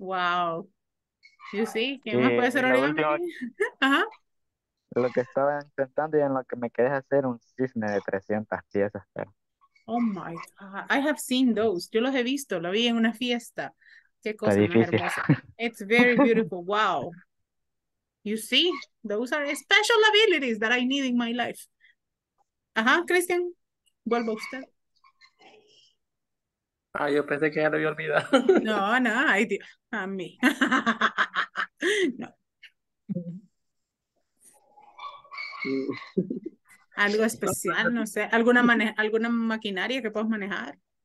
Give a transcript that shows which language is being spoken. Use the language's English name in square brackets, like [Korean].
[English] Wow. You see, [Spanish] ¿qué más puede ser origami? Ajá. Lo que estaba intentando y en lo que me quedé hacer un cisne de 300 piezas. Pero... [English] Oh my God, I have seen those. [Spanish] Yo los he visto, lo vi en una fiesta. Qué cosa más hermosa. [English] It's very beautiful, wow. You see, those are special abilities that I need in my life. [Spanish] Ajá, Christian, vuelvo a usted. Ah, yo pensé que ya lo había olvidado. No, ay Dios, a mí. No. Algo especial, no sé, alguna maquinaria que puedas manejar.